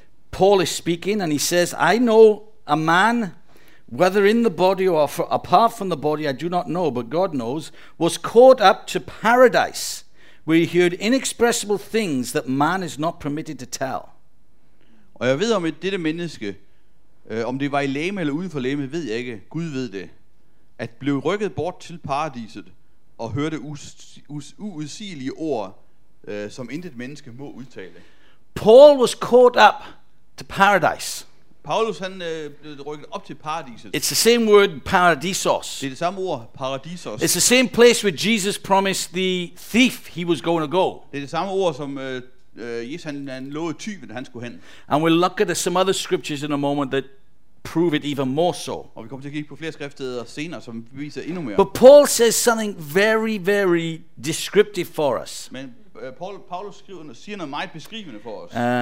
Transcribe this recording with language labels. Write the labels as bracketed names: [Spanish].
[English] Paul is speaking and he says, "I know a man, whether in the body or apart from the body, I do not know, but God knows, was caught up to paradise, where he heard inexpressible things that man is not permitted to tell." [Danish] Og jeg ved, om dette menneske, om det var i læme eller uden for læme, ved jeg ikke. Gud ved det. At blive rykket bort til paradiset og hørte uudsigelige ord, som intet menneske må udtale. [English] Paul was caught up to paradise. [Danish] Paulus han blev rykket op til paradiset. [English] It's the same word paradisos. [Danish] Det er det samme ord paradisos. [English] It's the same place where Jesus promised the thief he was going to go. [Danish] Det er det samme ord som Jesus han lovede tyven han skulle hen. [English] And we'll look at some other scriptures in a moment that prove it even more so. [Danish] Og vi kommer til at kigge på flere skriftsteder senere, som viser endnu mere. [English] But Paul says something very, very descriptive for us. [Danish] Men Paulus skriver og siger noget meget beskrivende for os.